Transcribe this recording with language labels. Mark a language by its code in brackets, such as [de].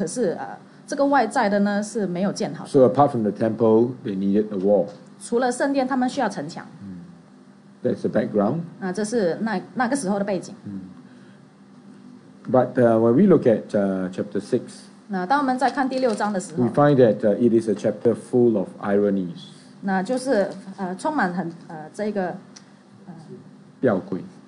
[zh] 那虽然他们是有这个信心的中心来拜神，可是这个外在的呢是没有建好的。 [en] So apart from the temple, they needed a wall. [zh] 除了圣殿，他们需要城墙。 [en] That's the background. [zh] 那这是那个时候的背景。 [en] But when we look at chapter 6, [zh] 那当我们在看第六章的时候， [en] we find that it is a chapter full of ironies. [zh] 那就是充满很这个吊诡。